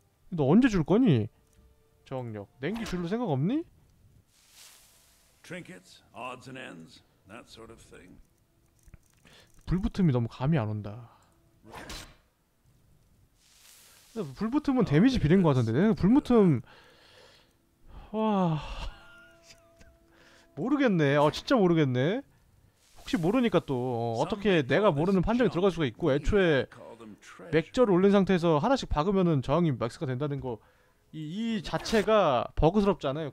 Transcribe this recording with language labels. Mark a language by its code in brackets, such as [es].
[ko] 너 언제 줄 거니? 저항력 냉기 줄로 생각 없니? [en] Trinkets, odds and ends, that sort of thing. [ko] 불붙음이 너무 감이 안 온다. 근데 불붙음은 데미지 비린 거 같은데. 불붙음 와 모르겠네. 진짜 모르겠네. 혹시 모르니까 또 어떻게 내가 모르는 판정이 들어갈 수가 있고 애초에 맥저를 올린 상태에서 하나씩 박으면은 저항이 맥스가 된다는 거 이 자체가 버그스럽잖아요.